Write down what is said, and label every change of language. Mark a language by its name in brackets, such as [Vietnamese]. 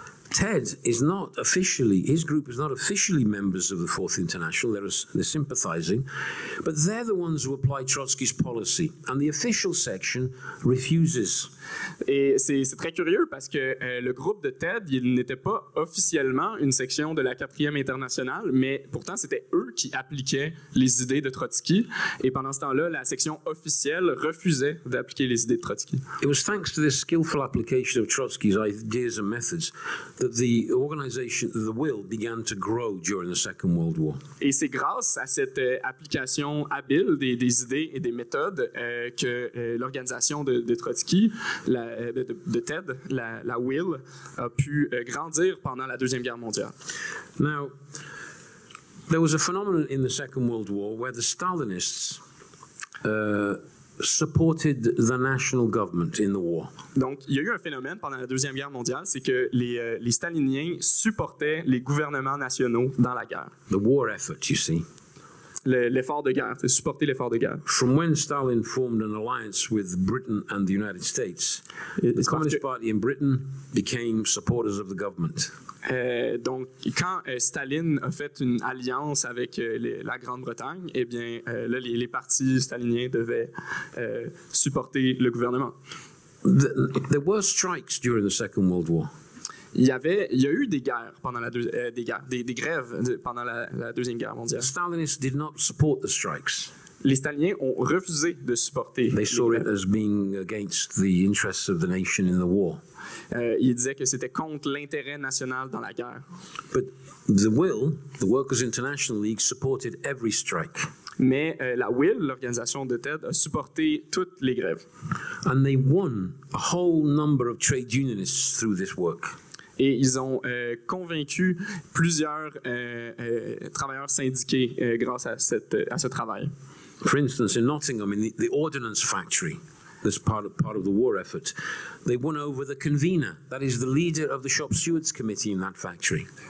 [English] Ted is not officially, his group is not officially members of the Fourth International, they're sympathizing, but they're the ones who apply Trotsky's policy, and the official section refuses. [French] Et c'est très curieux parce que le groupe de Ted, il n'était pas officiellement une section de la Quatrième Internationale, mais pourtant c'était eux qui appliquaient les idées de Trotsky, et pendant ce temps-là, la section officielle refusait d'appliquer les idées de Trotsky. [English] It was thanks to this skillful application of Trotsky's ideas and methods that the organization, the will, began to grow during the Second World War. [French] Et c'est grâce à cette application habile des idées et des méthodes que l'organisation de Trotsky, de Ted, la will, a pu grandir pendant la Deuxième Guerre mondiale. [English] Now, there was a phenomenon in the Second World War where the Stalinists supported the national government in the war. [French] Donc, il y a eu un phénomène pendant la Deuxième Guerre mondiale, c'est que les staliniens supportaient les gouvernements nationaux dans la guerre. [English] The war effort, you see. [French] L'effort de guerre, c'est supporter l'effort de guerre. [English] From when Stalin formed an alliance with Britain and the United States, the Communist Party in Britain became supporters of the government. [French] Donc, quand Staline a fait une alliance avec la Grande-Bretagne, eh bien, les partis staliniens devaient supporter le gouvernement. [English] There were strikes during the Second World War. [French] Il y a eu des guerres pendant des grèves pendant la Deuxième Guerre mondiale. [English] Stalinists did not support the strikes. [French] Les Staliniens ont refusé de supporter. [English] They saw it as being against the interests of the nation in the war. [French] Ils disaient que c'était contre l'intérêt national dans la guerre. [English] But the will, the Workers International League, supported every strike. [French] Mais la will, l'organisation de Ted, a supporté toutes les grèves. [English] And they won a whole number of trade unionists through this work. [French] et ils ont convaincu plusieurs travailleurs syndiqués grâce à ce travail. [English] For instance, in Nottingham, in the ordnance factory, this part of the war effort, they won over the convener, that is the leader of the shop stewards committee in that factory.